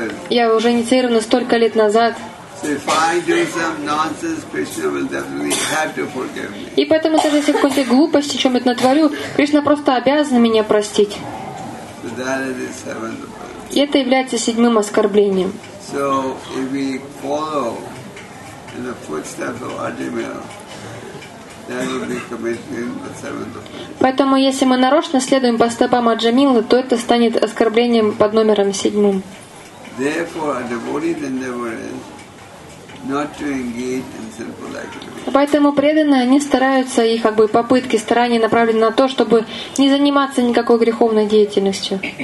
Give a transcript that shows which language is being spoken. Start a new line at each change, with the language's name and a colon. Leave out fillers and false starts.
Russian: Я уже инициирован столько лет назад.
English: If I do some nonsense, Krishna will definitely have to forgive me.
Russian: И поэтому даже если в какой-то глупости чем-то натворю, Кришна просто обязан меня простить.
English: So that is the seventh offense.
Russian: И это является седьмым оскорблением.
English: So if we follow in the footsteps of Arjuna, that will be committing the seventh offense.
Russian: Поэтому если мы нарочно следуем по стопам Аджамилы, то это станет оскорблением под номером седьмым.
English: Therefore, a devotee's endeavor is not to engage in sinful activities.
Russian: Поэтому преданные, они стараются, их как бы попытки, старания направлены на то, чтобы не заниматься никакой греховной деятельностью.